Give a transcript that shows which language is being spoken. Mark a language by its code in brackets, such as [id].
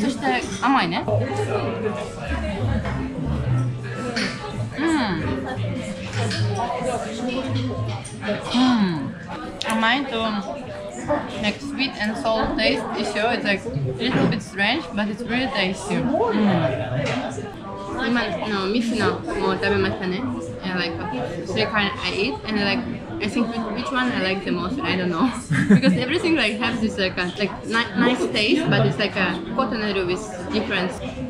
[ja] そして甘いね。甘いと。 [en] Like sweet and salt taste is sure it's like a little bit strange but it's really tasty. [ja] 今の3のも食べましたね。 [en] And like three kind I eat and like I think which one I like the most I don't know. Because everything like has this like nice taste but it's like a cotonero with difference.